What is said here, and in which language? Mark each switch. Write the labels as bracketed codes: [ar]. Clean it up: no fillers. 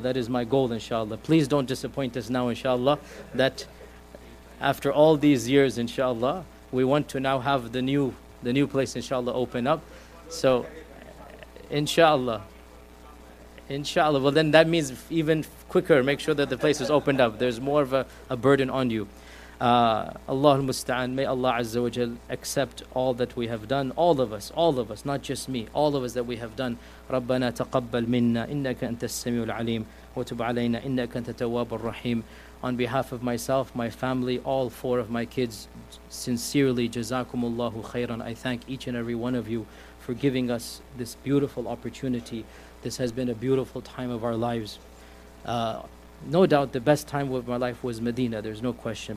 [en] That is my goal, inshallah. Please don't disappoint us now, inshallah, that after all these years, inshallah, we want to now have the new place, inshallah, open up. So, inshallah, Inshallah. Well, then that means even quicker, make sure that the place is opened up. There's more of a burden on you. Allahul Musta'an, may Allah Azza wa Jal accept all that we have done, all of us, not just me, all of us that we have done. [ar] ربنا تقبل منا إنك أنت السميع العليم وتب علينا إنك أنت التواب الرحيم. [en] On behalf of myself, my family, all four of my kids, sincerely, Jazakumullahu khairan. I thank each and every one of you for giving us this beautiful opportunity. This has been a beautiful time of our lives. No doubt the best time of my life was Medina, there's no question.